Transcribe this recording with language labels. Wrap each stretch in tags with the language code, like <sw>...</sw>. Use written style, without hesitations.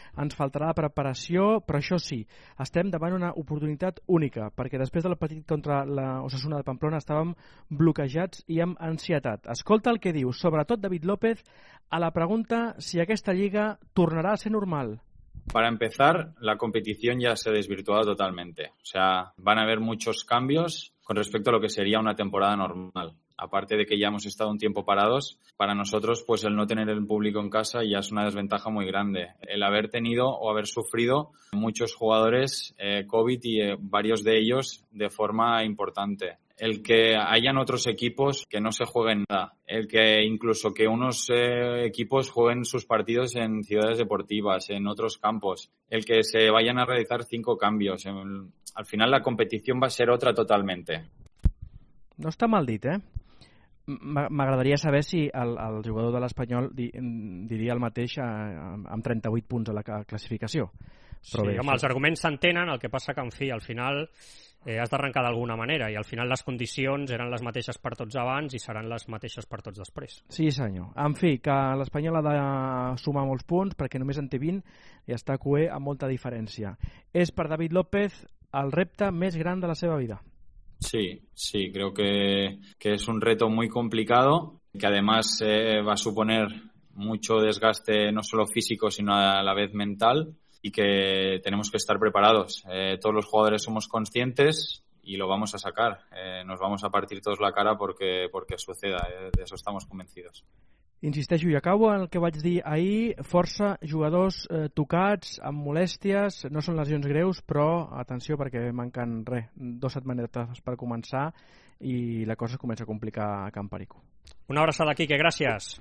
<ca>Ens faltarà la preparació, però això sí, estem davant una oportunitat única, perquè després del partit contra l'Osasuna de Pamplona estàvem bloquejats i amb ansietat. Escolta el que diu, sobretot David López, a la pregunta si aquesta lliga tornarà a ser normal.</ca> <es>Para empezar, la competición ya se ha desvirtuado totalmente. O sea, van a haber muchos cambios con respecto a lo que sería una temporada normal. Aparte de que ya hemos estado un tiempo parados, para nosotros pues el no tener el público en casa ya es una desventaja muy grande. El haber tenido o haber sufrido muchos jugadores COVID y varios de ellos de forma importante. El que hayan otros equipos que no se jueguen nada. El que incluso que unos equipos jueguen sus partidos en ciudades deportivas, en otros campos. El que se vayan a realizar 5 cambios. Al final la competición va a ser otra totalmente.</es> <ca>No está mal dit, ¿eh? M'agradaria saber si el jugador de l'Espanyol diria el mateix amb 38 punts a la classificació. Però sí, bé, home, els arguments s'entenen, el que passa que, en fi, al final has d'arrencar d'alguna manera i al final les condicions eren les mateixes per tots abans i seran les mateixes per tots després. Sí, senyor. En fi, que l'Espanyol ha de sumar molts punts perquè només en té 20 i està cué amb molta diferència. És per David López el repte més gran de la seva vida.</ca> <es>Sí, creo que es un reto muy complicado, que además va a suponer mucho desgaste no solo físico sino a la vez mental y que tenemos que estar preparados. Todos los jugadores somos conscientes y lo vamos a sacar. Nos vamos a partir todos la cara porque suceda, de eso estamos convencidos.</es> <ca>Insisteixo i acabo en el que vaig dir ahir, força jugadors tocats, amb molèsties, no són lesions greus, però atenció perquè manquen 2 setmanetes per començar i la cosa comença a complicar a Can Perico. Una abraçada, Quique, gràcies.</ca>